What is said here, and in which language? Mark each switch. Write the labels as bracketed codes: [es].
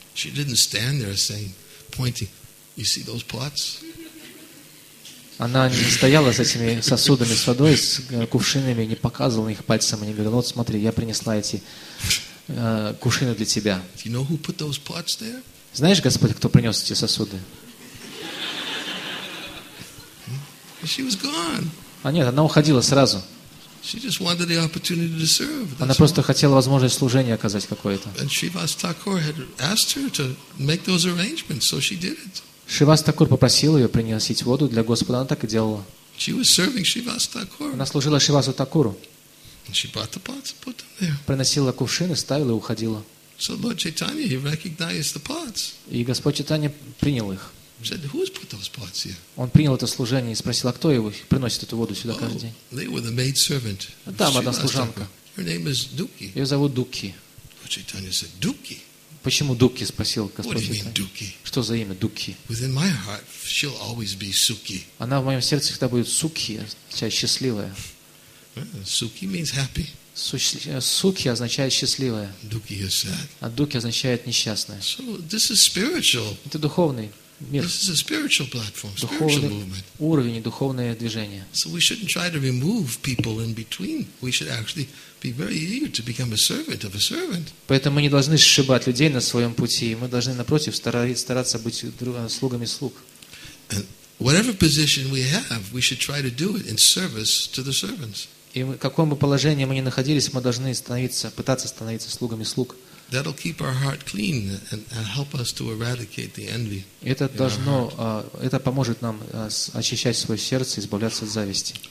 [en] She didn't stand there saying, pointing, "You see those pots?" [ru] Она не стояла с этими сосудами с водой, с кувшинами, не показывала их пальцем и не говорила: "Вот смотри, я принесла эти кувшины для тебя." [en] Do you know who put those pots there? [ru] Знаешь, Господь, кто принес эти сосуды? [en] She was gone. [ru] А нет, она уходила сразу. [en] She just wanted the opportunity to serve. [ru] Она просто хотела возможность служения оказать какое-то. [en] And Shrivas Thakur had asked her to make those arrangements, so she did it. [ru] Шривас Такур попросил ее приносить воду для Господа, она так и делала. [en] She was serving Shrivas Thakur. [ru] Она служила Шривасу Такуру. [en] And she brought the pots and put them there. [ru] Приносила кувшины, ставила и уходила. [en] So Lord Chaitanya, he recognized the pots. [ru] И Господь Чайтанья принял их. [en] He said, "Who's put those pots here?" [ru] Он принял это служение и спросил, а кто его приносит эту воду сюда каждый день? [en] Oh, they were the maid servant. [ru] Там одна служанка. [en] Her name is Dukhi. [ru] Ее зовут Дукхи. [en] Lord Chaitanya said, "Dukhi." [ru] Почему Дукхи? Спросил Господь [en] Чайтанья. What do you mean, [ru] Dukhi? Что за имя Дукхи? [en] Within my heart, she'll always be Sukhi. [ru] Она в моем сердце всегда будет Сукхи, означает счастливая. [en] Sukhi means happy. [ru] Сукхи означает счастливая. [en] Dukhi is sad. [ru] А Дукхи означает несчастная. [en] So this is spiritual. [ru] Это духовный. Мир. [en] This is a spiritual platform, spiritual movement. [ru] Уровень и духовное движение. [en] So we shouldn't try to remove people in between. We should actually be very eager to become a servant of a servant. [ru] Поэтому мы не должны сшибать людей на своем пути. Мы должны напротив стараться быть слугами слуг. [en] And whatever position we have, we should try to do it in service to the servants. [ru] И в каком бы положении мы ни находились, мы должны пытаться становиться слугами слуг. [en] That'll keep our heart clean and help us to eradicate the envy. [ru] Это должно, это поможет нам очищать свое сердце, избавляться от зависти.